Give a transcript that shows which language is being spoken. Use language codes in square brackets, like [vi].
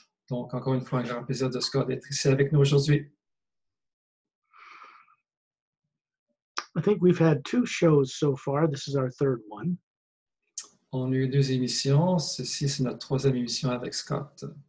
[fr] Donc, encore une fois, un grand plaisir de Scott d'être ici avec nous aujourd'hui. [en] I think we've had two shows so far. This is our third one. [fr] On a eu deux émissions. Ceci, c'est notre troisième émission avec Scott.